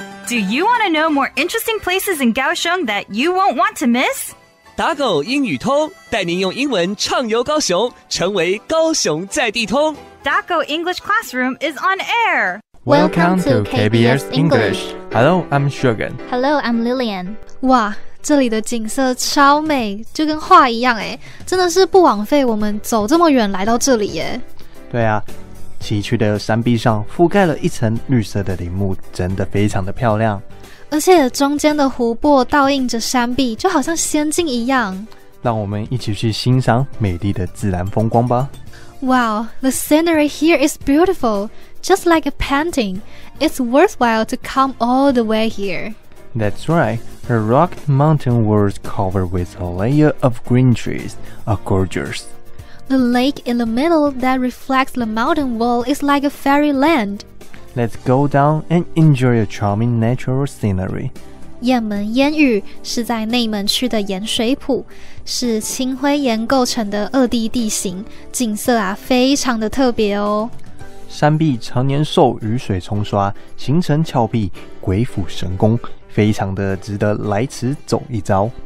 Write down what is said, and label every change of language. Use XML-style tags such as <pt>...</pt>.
<en>Do you want to know more interesting places in Kaohsiung that you won't want to miss?</en> <zh>打狗英语通，带您用英文畅游高雄，成为高雄在地通。</zh> <en>Daco English Classroom is on air. Welcome to KBS English. Hello, I'm Shogun. Hello, I'm Lillian.</en> <zh>哇，这里的景色超美，就跟画一样耶，真的是不枉费我们走这么远来到这里耶。对啊，崎岖的山壁上覆盖了一层绿色的林木，真的非常的漂亮。而且中间的湖泊倒映着山壁，就好像仙境一样。让我们一起去欣赏美丽的自然风光吧。</zh> <en>Wow, the scenery here is beautiful, just like a painting. It's worthwhile to come all the way here. That's right. The rock mountain was covered with a layer of green trees, are gorgeous. The lake in the middle that reflects the mountain wall is like a fairyland. Let's go down and enjoy a charming natural scenery.</en> <zh>雁门烟雨是在内门区的盐水浦，是青灰岩构成的二地地形，景色啊非常的特别哦。山壁常年受雨水冲刷，形成峭壁，鬼斧神工，非常的值得来此走一遭。</zh>